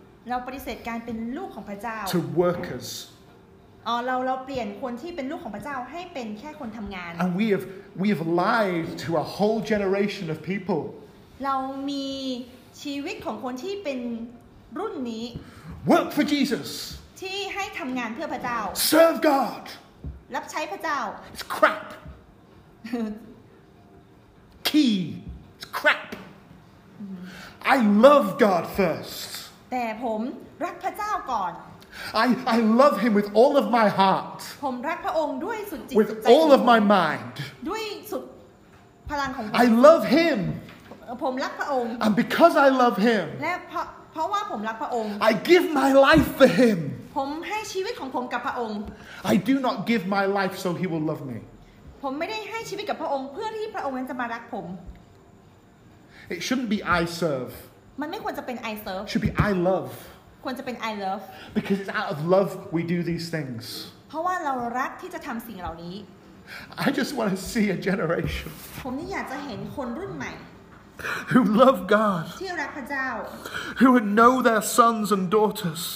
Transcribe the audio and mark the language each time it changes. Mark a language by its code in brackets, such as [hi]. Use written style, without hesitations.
[th] เราปฏิเสธการเป็นลูกของพระเจ้า [en] to workers [th] เราเปลี่ยนคนที่เป็นลูกของพระเจ้าให้เป็นแค่คนทำงาน [en] and we have lied to a whole generation of people [th] เรามีชีวิตของคนที่เป็นรุ่นนี้ [en] Work for Jesus [th] ที่ให้ทำงานเพื่อพระเจ้า [en] Serve God [th] รับใช้พระเจ้า [en] It's crap Key It's crap I love God first [th] แต่ผมรักพระเจ้าก่อน [en] I love him with all of my heart [th] ผมรักพระองค์ด้วยสุดจิตสุด [en] With all of my mind [th] ด้วยสุดพลังของ [en] I love him [th] ผมรักพระองค์ [en] And because I love him [th] และเพราะว่าผมรักพระองค์ [en] I give my life for him [th] ผมให้ชีวิตของผมกับพระองค์ [en] I do not give my life so he will love me [th] ผมไม่ได้ให้ชีวิตกับพระองค์เพื่อที่พระองค์นั้นจะมารักผม [en] It shouldn't be I serve [th] มันไม่ควรจะเป็น [en] I serve should be I love [th] ควรจะเป็น [en] I love because it's out of love we do these things [th] เพราะว่าเรารักที่จะทำสิ่งเหล่านี้ [en] I just want to see a generation [th] ผมนี่อยากจะเห็นคนรุ่นใหม่ [en] Who love God? [th] ที่รักพระเจ้า [en] Who know their sons and daughters?